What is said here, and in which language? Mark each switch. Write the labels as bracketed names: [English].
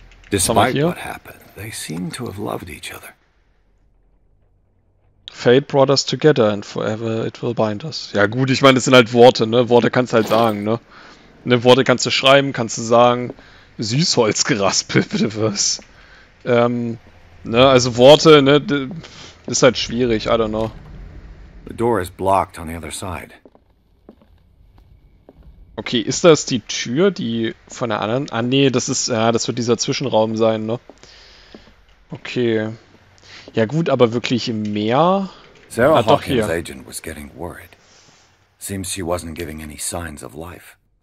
[English] Despite what happened, they seem to have loved each other. Fate brought us together and forever it will bind us. [German] Ja gut, ich meine, das sind halt Worte, ne? Worte kannst du halt sagen, ne? Ne, Worte kannst du schreiben, kannst du sagen. Süßholz geraspelt, bitte was. Ne, also Worte, ne? Ist halt schwierig, [English] I don't know. The door is blocked on the other side. [German] Okay, ist das die Tür, die von der anderen. Ah, nee, das ist. Ja, das wird dieser Zwischenraum sein, ne? Okay. Ja, gut, aber wirklich mehr. [English] Sarah Hawkins' agent was getting worried. Seems she wasn't giving any signs of life.